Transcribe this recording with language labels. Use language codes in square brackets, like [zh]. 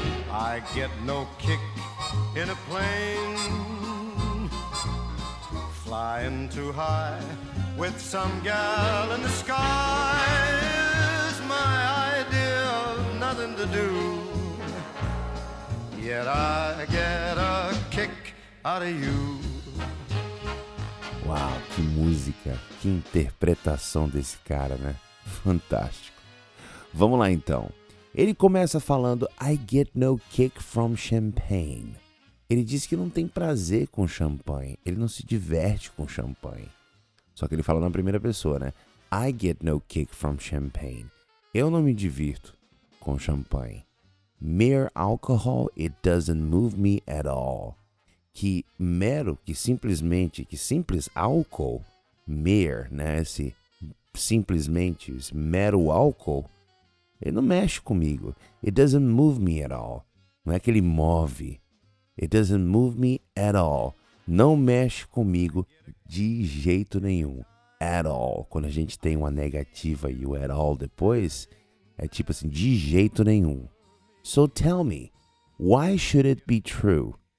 [en] I get no kick in a plane, flying too high with some gal in the sky is my idea of nothing to do. Yet I get a kick out of you. [pt] Uau, que música, que interpretação desse cara, né? Fantástico. Vamos lá, então. Ele começa falando, [en] I get no kick from champagne. [pt] Ele diz que não tem prazer com champanhe, ele não se diverte com champanhe. Só que ele fala na primeira pessoa, né? [en] I get no kick from champagne. [pt] Eu não me divirto com champanhe. [en] Mere alcohol, it doesn't move me at all. [pt] Que mero, que simplesmente, que simples álcool, mere, né, esse simplesmente, esse mero álcool, ele não mexe comigo. [en] It doesn't move me at all. [pt] Não é que ele move. [en] It doesn't move me at all. [pt] Não mexe comigo de jeito nenhum. At all. Quando a gente tem uma negativa e o at all depois, é tipo assim, de jeito nenhum. [en] So tell me, why should it be true?